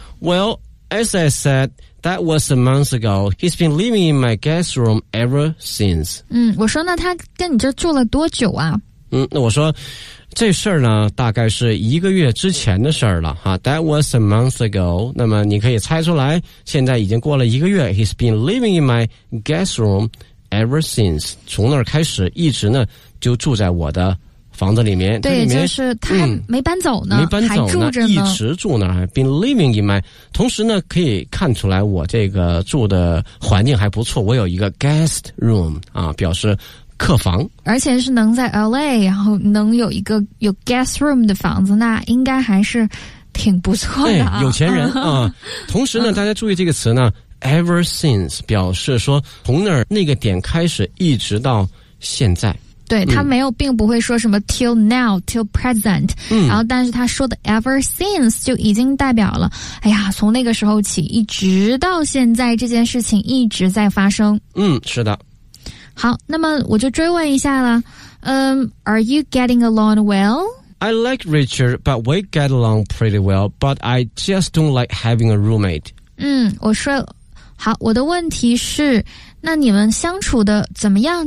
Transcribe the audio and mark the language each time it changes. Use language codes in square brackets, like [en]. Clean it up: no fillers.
[en] Well, as I said, that was a month ago. He's been living in my guest room ever since. [zh] 嗯，我说那他跟你这住了多久啊？嗯，那我说这事儿呢大概是一个月之前的事儿了哈。 [en] That was a month ago. [zh] 那么你可以猜出来现在已经过了一个月。 [en] He's been living in my guest room ever since. [zh] 从那儿开始一直呢就住在我的房子里面。对，里面就是他还没搬走呢、嗯、没搬走呢，还住着呢，一直住那儿。 [en] Been living in my, [zh] 同时呢可以看出来我这个住的环境还不错，我有一个 guest room, 啊表示客房，而且是能在 LA 然后能有一个有 guest room 的房子，那应该还是挺不错的、啊哎、有钱人啊、嗯、同时呢大家注意这个词呢 ever since 表示说从那儿那个点开始一直到现在，对、嗯、他没有并不会说什么 [en] till now till present、 [zh] 嗯、然后但是他说的 ever since 就已经代表了哎呀从那个时候起一直到现在这件事情一直在发生，嗯，是的。好，那么我就追问一下了。 [en] Are you getting along well? I like Richard, but we get along pretty well, but I just don't like having a roommate. [zh] 嗯，我说，好，我的问题是，那你们相处的怎么样？